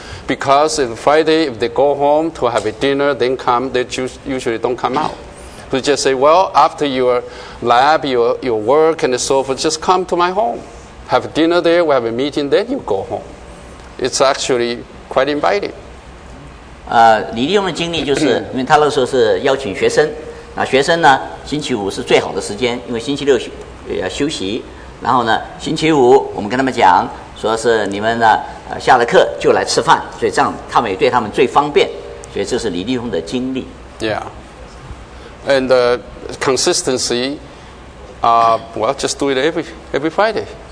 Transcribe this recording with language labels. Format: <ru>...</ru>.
<en>Because on Friday, if they go home to have a dinner, then come, they usually don't come out. We just say, well, after your lab, your work, and so forth, just come to my home. Have dinner there, we have a meeting, then you go home. It's actually quite inviting.</en> <zh>李立雄的经历就是因为他那时候是邀请学生，那学生呢，星期五是最好的时间，因为星期六要休息。然后呢，星期五我们跟他们讲，说是你们呢，下了课就来吃饭，所以这样他们也对他们最方便，所以这是李立宏的经历。</zh> <en>Yeah, and consistency, well, just do it every Friday.</en>